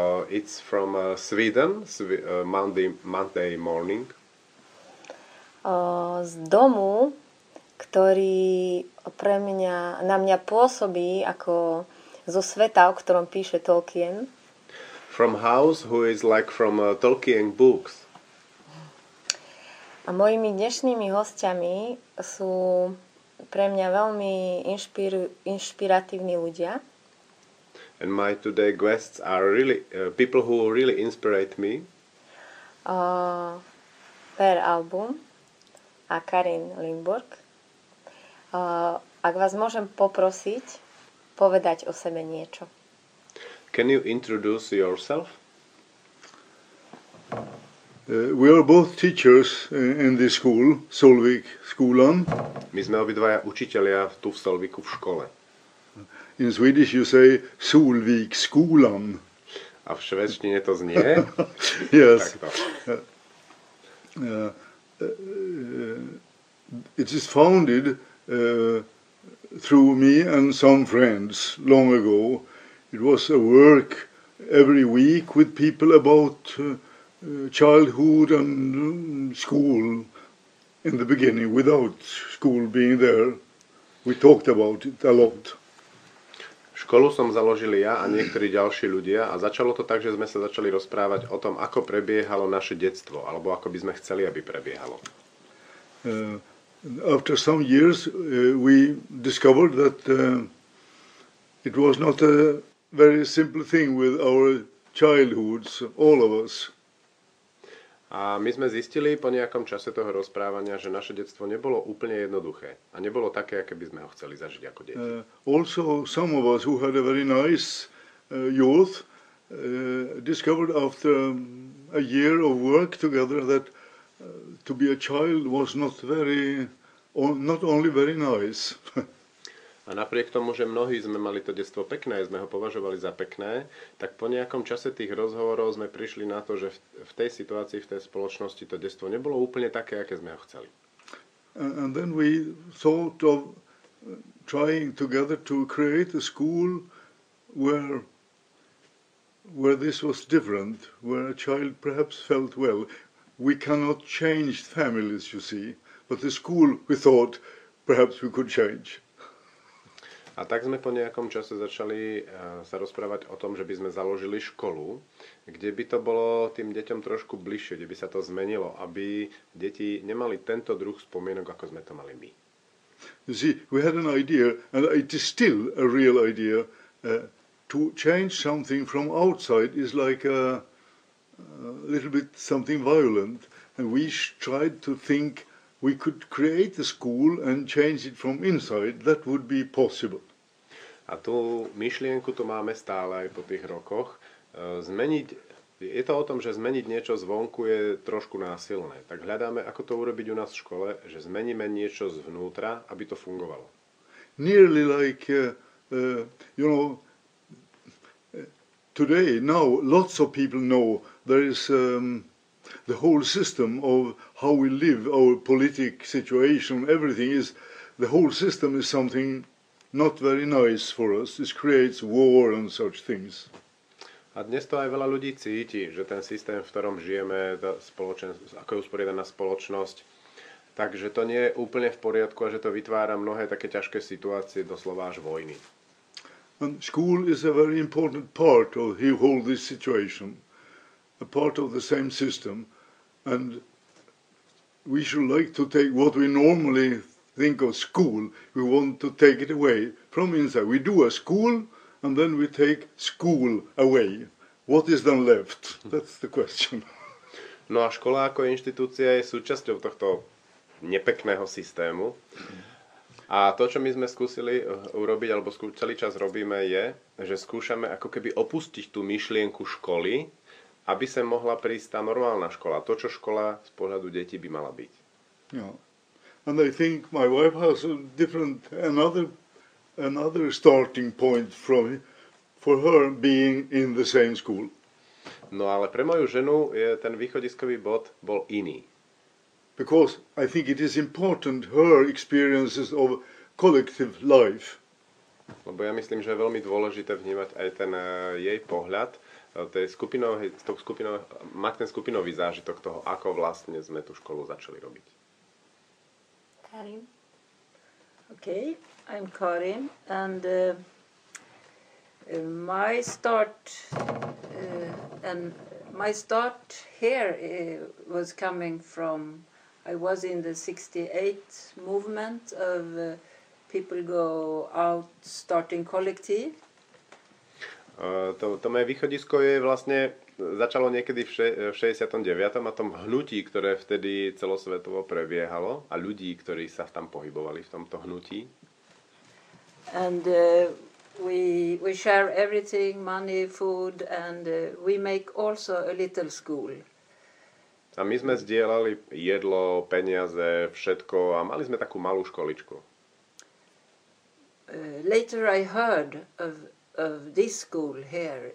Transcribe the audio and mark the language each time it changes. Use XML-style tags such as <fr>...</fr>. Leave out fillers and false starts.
<en>It's from Sweden, Monday morning.</en> <sk>Z domu, ktorý pre mňa, na mňa pôsobí ako zo sveta, o ktorom píše Tolkien.</sk> <en>From house, who is like from Tolkien books.</en> <sk>A mojimi dnešnými hostiami sú pre mňa veľmi inšpiratívni ľudia.</sk> <en>And my today guests are really people who really inspire me.</en> <sk>Per Album a Karin Lindborg. Ak vás môžem poprosiť povedať o sebe niečo.</sk> <en>Can you introduce yourself? We are both teachers in this school, Solvik skolan.</en> <sk>My sme obidvaja učitelia tu v Solviku v škole.</sk> <en>In Swedish you say Solvik skolan.</en> <sk>A v švédštine to znie?</sk> <en>Yes. It is founded through me and some friends long ago. It was a work every week with people about childhood and school in the beginning, without school being there. We talked about it a lot.</en> <sk>Školu som založil ja a niektorí ďalší ľudia a začalo to tak, že sme sa začali rozprávať o tom, ako prebiehalo naše detstvo, alebo ako by sme chceli, aby prebiehalo.</sk> <en>After some years we discovered that it was not a very simple thing with our childhoods, all of us.</en> <sk>A my sme zistili po nejakom čase toho rozprávania, že naše detstvo nebolo úplne jednoduché a nebolo také, aké by sme ho chceli zažiť ako deti.</sk> <en>Also some of us who had a very nice youth discovered after a year of work together that to be a child was not only very nice.</en> <sk>A napriek tomu, že mnohí sme mali to detstvo pekné, sme ho považovali za pekné, tak po nejakom čase tých rozhovorov sme prišli na to, že v tej situácii, v tej spoločnosti to detstvo nebolo úplne také, aké sme ho chceli.</sk> <en>And then we thought of trying together to create a school where this was different, where a child perhaps felt well. We cannot change families, you see. But the school, we thought, perhaps we could change.</en> <sk>A tak sme po nejakom čase začali sa rozprávať o tom, že by sme založili školu, kde by to bolo tým deťom trošku bližšie, kde by sa to zmenilo, aby deti nemali tento druh spomienok, ako sme to mali my.</sk> <en>You see, we had an idea, and it is still a real idea, to change something from outside is like a little bit something violent, and we tried to think we could create a school and change it from inside. That would be possible.</en> <sk>A tú myšlienku tu máme stále aj po tých rokoch. Zmeniť, je to o tom, že zmeniť niečo zvonku je trošku násilné. Tak hľadáme, ako to urobiť u nás v škole, že zmeníme niečo zvnútra, aby to fungovalo.</sk> <en>Nearly like, you know, today, now, lots of people know there is the whole system of how we live, our politic situation, everything is, the whole system is something not very nice for us. It creates war and such things.</en> <sk>A dnes to aj veľa ľudí cíti, že ten systém, v ktorom žijeme, ako je usporiadaná spoločnosť, takže to nie je úplne v poriadku a že to vytvára mnohé také ťažké situácie, doslova až vojny.</sk> <en>And school is a very important part of the whole this situation, a part of the same system, and we should like to take what we normally think of school, we want to take it away from inside. We do a school and then we take school away. What is then left? That's the question.</en> <sk>No a škola ako inštitúcia je súčasťou tohto nepekného systému. A to, čo my sme skúsili urobiť, alebo celý čas robíme, je, že skúšame ako keby opustiť tú myšlienku školy, aby sa mohla prísť tá normálna škola, to, čo škola z pohľadu detí by mala byť.</sk> <en>Yeah. And I think my wife has a different, another starting point from for her being in the same school.</en> <sk>No, ale pre moju ženu je ten východiskový bod bol iný.</sk> <en>Because I think it is important her experiences of collective life.</en> <sk>Lebo ja myslím, že je veľmi dôležité vnímať aj ten jej pohľad, tej skupinovej, mať ten skupinový zážitok toho, ako vlastne sme tú školu začali robiť. Karin.</sk> <en>Okay, I'm Karin and my start here was coming from I was in the 68 movement of people go out starting collective.</en> <sk>To moje východisko je vlastne začalo niekedy v 69. a tom hnutí, ktoré vtedy celosvetovo prebiehalo a ľudí, ktorí sa tam pohybovali v tomto hnutí.</sk> <en>And we share everything, money, food and we make also a little school.</en> <sk>A my sme zdieľali jedlo, peniaze, všetko a mali sme takú malú školičku.</sk> <en>Later I heard of this school here.</en>